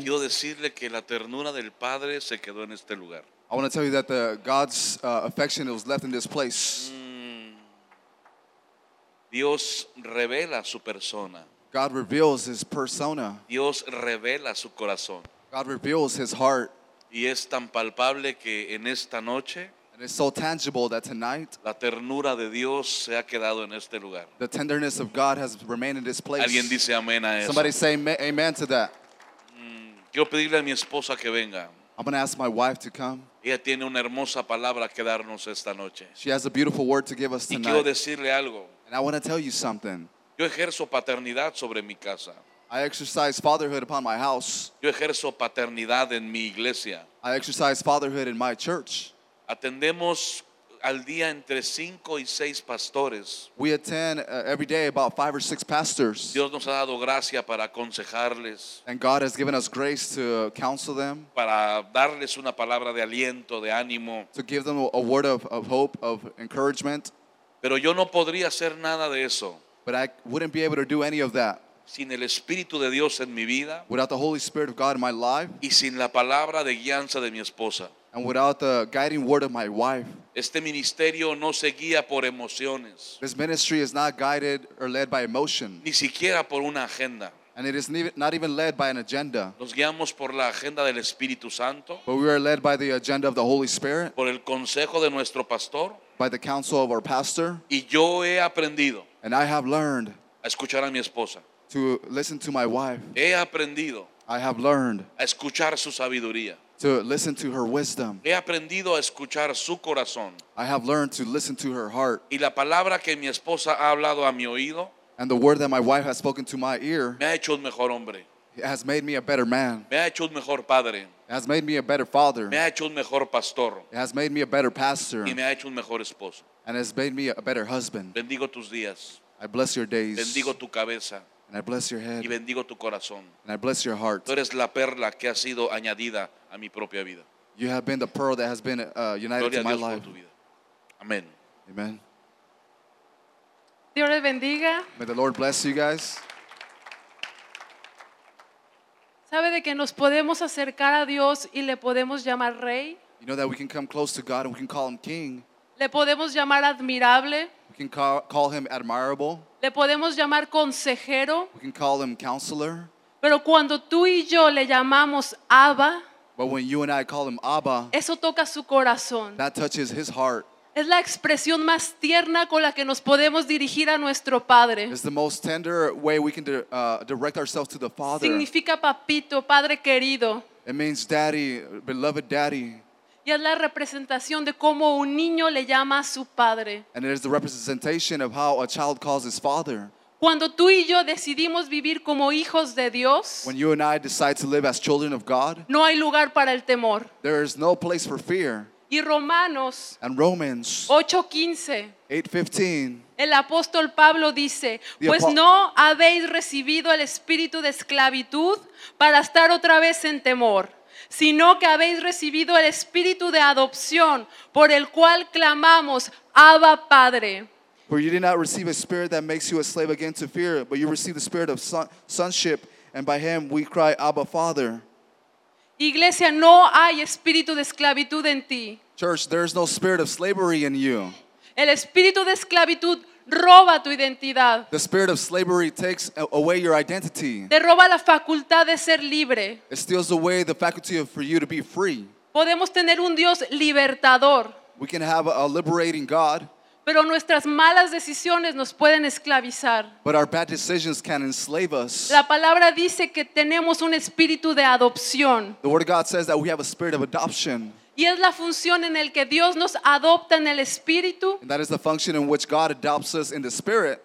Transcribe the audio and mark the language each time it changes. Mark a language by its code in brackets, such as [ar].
[es] quiero decirle que la ternura del Padre se quedó en este lugar. [en] I want to tell you that God's affection was left in this place. [es] Dios revela su persona. [en] God reveals his persona. [es] Dios revela su corazón. [en] God reveals his heart. [es] Y es tan palpable que en esta noche, [en] and it's so tangible that tonight, [es] la ternura de Dios se ha quedado en este lugar. [en] The tenderness of God has remained in this place. [es] Alguien dice amén a eso. [en] Somebody say amen to that. [es] Quiero pedirle a mi esposa que venga. [en] I'm going to ask my wife to come. [es] Ella tiene una hermosa palabra que darnos esta noche. [en] She has a beautiful word to give us tonight. [es] Y quiero decirle algo. [en] And I want to tell you something. [es] Yo ejerzo paternidad sobre mi casa. [en] I exercise fatherhood upon my house. [es] Yo ejerzo paternidad en mi iglesia. [en] I exercise fatherhood in my church. [es] Atendemos al día entre 5 y 6 pastores. [en] We attend every day about 5 or 6 pastors. [es] Dios nos ha dado gracia para aconsejarles. [en] And God has given us grace to counsel them. [es] Para darles una palabra de aliento, de ánimo. [en] To give them a word of hope, of encouragement. [es] Pero yo no podría hacer nada de eso. [en] But I wouldn't be able to do any of that. [es] Sin el Espíritu de Dios en mi vida, [en] without the Holy Spirit of God in my life, [es] y sin la palabra de guianza de mi esposa, [en] and without the guiding word of my wife, [es] este ministerio no se guía por emociones. [en] This ministry is not guided or led by emotion. [es] Ni siquiera por una agenda. [en] And it is not even led by an agenda. [es] Nos guiamos por la agenda del Espíritu Santo. [en] But we are led by the agenda of the Holy Spirit. [es] Por el consejo de nuestro pastor. [en] By the counsel of our pastor. [es] Y yo he aprendido. [en] And I have learned. [es] A escuchar a mi esposa. [en] To listen to my wife. [es] He aprendido. [en] I have learned. [es] A escuchar su sabiduría. [en] To listen to her wisdom. [es] He aprendido a escuchar su corazón. [en] I have learned to listen to her heart. [es] Y la palabra que mi esposa ha hablado a mi oído. [en] And the word that my wife has spoken to my ear. [es] Me ha hecho un mejor hombre. [en] Has made me a better man. [es] Me ha hecho un mejor padre. [en] Has made me a better father. [es] Me ha hecho un mejor pastor. [en] Has made me a better pastor. [es] Y me ha hecho un mejor esposo. [en] And has made me a better husband. [es] Bendigo tus días. [en] I bless your days. [es] Bendigo tu cabeza. [en] And I bless your head. [es] Y bendigo tu corazón. [en] And I bless your heart. [es] Tú eres la perla que ha sido añadida a mi propia vida. [en] You have been the pearl that has been united [es] Gloria [en] to my [es] Dios [en] life. [es] Por tu vida. Amen. [en] Amen. [es] Dios les bendiga. [en] May the Lord bless you guys. [es] ¿Sabe de que nos podemos acercar a Dios y le podemos llamar rey? [en] You know that we can come close to God and we can call him king. [es] Le podemos llamar admirable. [en] We can call him admirable. [es] Le podemos llamar consejero. [en] We can call him counselor. [es] Pero cuando tú y yo le llamamos Abba, [en] but when you and I call him Abba, [es] eso toca su corazón. [en] That touches his heart. [es] Es la expresión más tierna con la que nos podemos dirigir a nuestro padre. [en] It's the most tender way we can direct ourselves to the Father. [es] Significa papito, padre querido. [en] It means daddy, beloved daddy. [es] Y es la representación de cómo un niño le llama a su padre. [en] And it is the representation of how a child calls his father. [es] Cuando tú y yo decidimos vivir como hijos de Dios, [en] when you and I decide to live as children of God, [es] no hay lugar para el temor. [en] There is no place for fear. [es] Y Romanos, [en] and Romans [es] 8:15, el apóstol Pablo dice, pues no habéis recibido el espíritu de esclavitud para estar otra vez en temor, sino que habéis recibido el espíritu de adopción por el cual clamamos Abba Padre. [en] For you did not receive a spirit that makes you a slave again to fear, but you received the spirit of sonship, and by him we cry Abba Father. [es] Iglesia, no hay espíritu de esclavitud en ti. [en] Church, there is no spirit of slavery in you. [es] El espíritu de esclavitud roba tu identidad. [en] The spirit of slavery takes away your identity. [es] Te roba la facultad de ser libre. [en] It steals away the faculty for you to be free. [es] Podemos tener un Dios libertador. [en] We can have a liberating God. [es] Pero nuestras malas decisiones nos pueden esclavizar. [en] But our bad decisions can enslave us. [es] La palabra dice que tenemos un espíritu de adopción. [en] The word of God says that we have a spirit of adoption. [es] Y es la función en el que Dios nos adopta en el Espíritu. [en] And that is the function in which God adopts us in the Spirit.